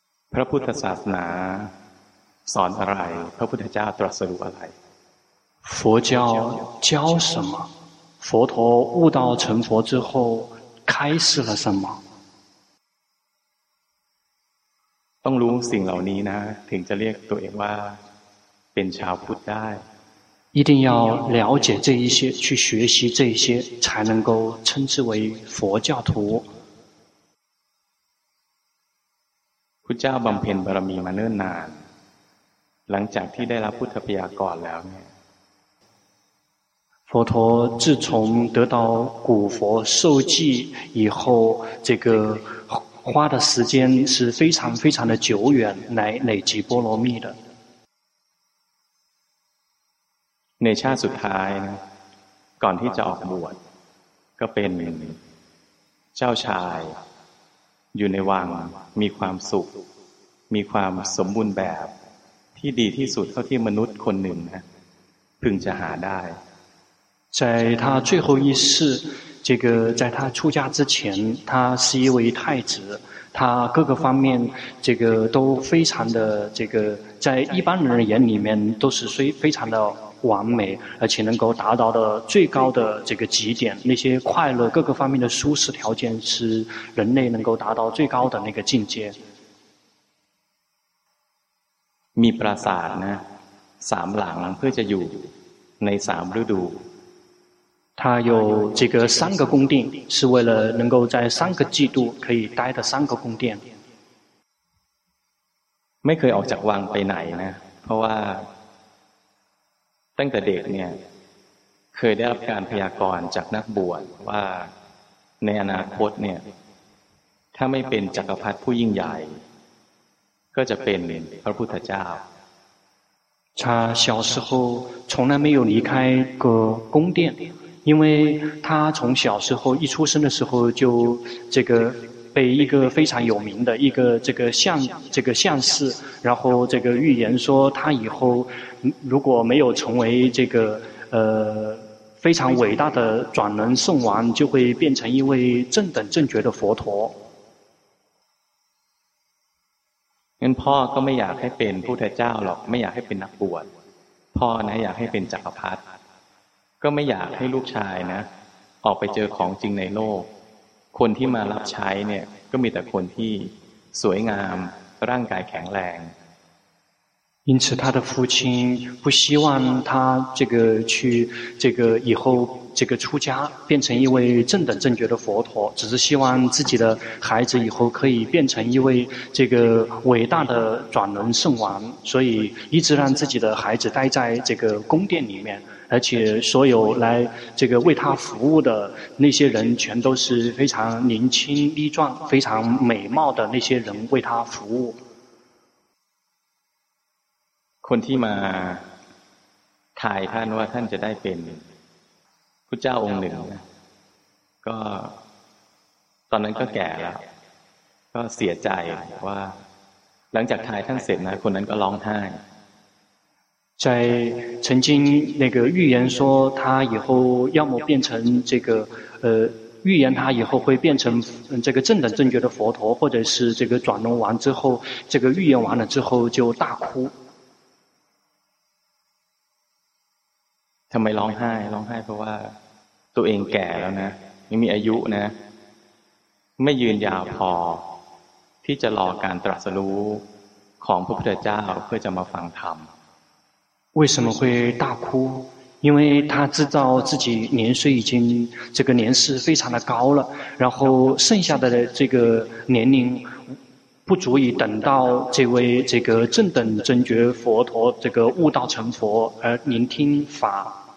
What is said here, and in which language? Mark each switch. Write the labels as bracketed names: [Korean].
[Thai] พระพุทธศาสนาสอนอะไรพระพุทธเจ้าตรัสรู้อะไร [Chinese] 佛教教什么佛陀悟道成佛之后开示了什么 [Thai] ต้องรู้สิ่งเหล่านี้นะถึงจะเรียกตัวเองว่าเป็นชาวพุทธได้ [Chinese] 一定要了解这一些去学习这一些才能够称之为佛教徒 [Thai] พุทธเจ้าบำเพ็ญบารมีมาเนิ่นนานหลังจากที่ได้รับพุทธพยากรแล้วเนี่ย [Chinese] 佛陀自从得到古佛授记以后，这个花的时间是非常非常的久远，来累积波罗蜜的。 [Thai] ในชาติสุดท้ายนะก่อนที่จะออกบวชก็เป็นเจ้าชายอยู่ในวังมีความสุขมีความสมบูรณ์แบบที่ดีที่สุดเท่าที่มนุษย์คนหนึ่งนะพึงจะหาได้ [Chinese] 在他最后一世这个在他出家之前他是一位太子他各个方面这个都非常的这个在一般人眼里面都是非常的完美而且能够达到的最高的这个极点那些快乐各个方面的舒适条件是人类能够达到最高的那个境界 [Thai] มีปราสาทนะสามหลังเพื่อจะอยู่ในสามฤดู [Chinese] 他有这个三个宫殿是为了能够在三个季度可以待的三个宫殿 [Thai] ไม่เคยออกจากวังไปไหนนะเพราะว่าตั้งแต่เด็กเนี่ยเคยได้รับการพยากรณ์จากนักบวชว่าในอนาคตเนี่ยถ้าไม่เป็นจักรพรรดิผู้ยิ่งใหญ่ก็จะเป็นพระพุทธเจ้า [Chinese] 他小时候从来没有离开过宫殿因为他从小时候一出生的时候就这个被一个非常有名的一个这个相这个相士然后这个预言说他以后如果没有成为这个非常伟大的转轮圣王就会变成一位正等正觉的佛陀 [Thai] งั้นพ่อก็ไม่อยากให้เป็นพุทธเจ้าหรอกไม่อยากให้เป็นนักบวชพ่อนะอยากให้เป็นจักรพรรดิก็ไม่อยากให้ลูกชายนะออกไปเจอของจริงในโลกคนที่มารับใช้เนี่ยก็มีแต่คนที่สวยงามร่างกายแข็งแรง [Chinese] 因此他的父亲不希望他这个去这个以后这个出家变成一位正等正觉的佛陀只是希望自己的孩子以后可以变成一位这个伟大的转轮圣王所以一直让自己的孩子待在这个宫殿里面而且所有来这个为他服务的那些人全都是非常年轻力壮非常美貌的那些人为他服务 [Thai] คนที่มาถ่ายท่านว่าท่านจะได้เป็นพุทธเจ้าองค์หนึ่งก็ตอนนั้นก็แก่แล้วก็เสียใจว่าหลังจากถ่ายท่านเสร็จนะคนนั้นก็ร้องไห้ [Chinese] 在曾经那个预言说他以后要么变成这个预言他以后会变成这个正等正觉的佛陀或者是这个转轮王之后这个预言完了之后就大哭 [Thai] ทำไมร้องไห้ร้องไห้เพราะว่าตัวเองแก่แล้วนะไม่มีอายุนะไม่ยืนยาวพอที่จะรอการตรัสรู้ของพระพุทธเจ้าเพื่อจะมาฟังธรรม [Chinese] 为什么会大哭因为他知道自己年岁已经这个年事非常的高了然后剩下的这个年龄不足以等到这位这个正等正觉佛陀这个悟道成佛而聆听法